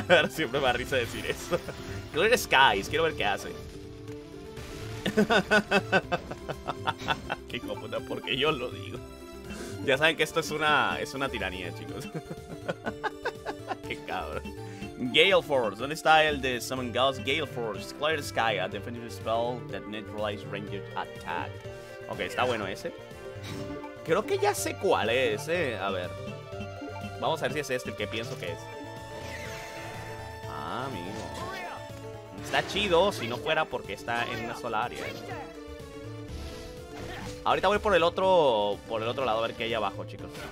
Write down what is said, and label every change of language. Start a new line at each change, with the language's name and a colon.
Spanish: Siempre me da risa decir eso. Clear Skies, quiero ver qué hace. Qué cómoda, porque yo lo digo. Ya saben que esto es una tiranía, chicos. Qué cabrón. Gale Force, ¿dónde está el de Summon Ghost?
English: Gale Force, Clear Sky, a defensive spell that neutralizes ranged attack.
Spanish: Ok, está bueno ese. Creo que ya sé cuál es, A ver, vamos a ver si es este el que pienso que es. Amigo, está chido si no fuera porque está en una sola área. Ahorita voy por el otro lado a ver qué hay abajo, chicos.